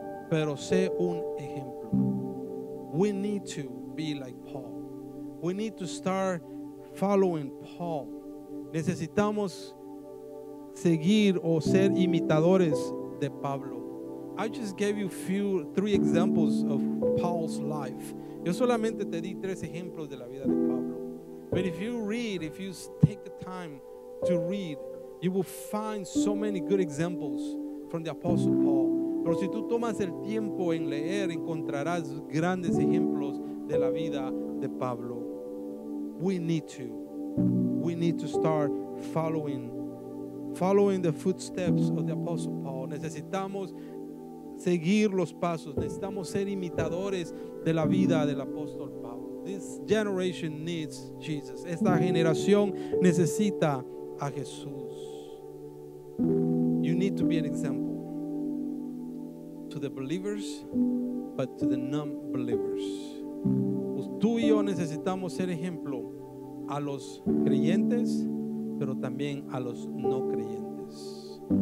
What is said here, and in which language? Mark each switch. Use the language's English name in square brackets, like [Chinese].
[Spanish] Pero sé un ejemplo. [English] We need to be like Paul. We need to start following Paul. [Spanish] Necesitamos seguir o ser imitadores de Pablo. [English] I just gave you three examples of Paul's life. [Spanish] Yo solamente te di tres ejemplos de la vida de Pablo. [English] But if you read, if you take the time to read, you will find so many good examples from the Apostle Paul. [Spanish] Pero si tú tomas el tiempo en leer, encontrarás grandes ejemplos de la vida de Pablo. [English] We need to start following the footsteps of the Apostle Paul. [Spanish] Necesitamos seguir los pasos. Necesitamos ser imitadores de la vida del apóstol Pablo. [English] This generation needs Jesus. [Spanish] Esta generación necesita a Jesús. [English] You need to be an example to the believers, but to the non-believers. [Spanish] Pues tú y yo necesitamos ser ejemplo a los creyentes, pero también a los no creyentes.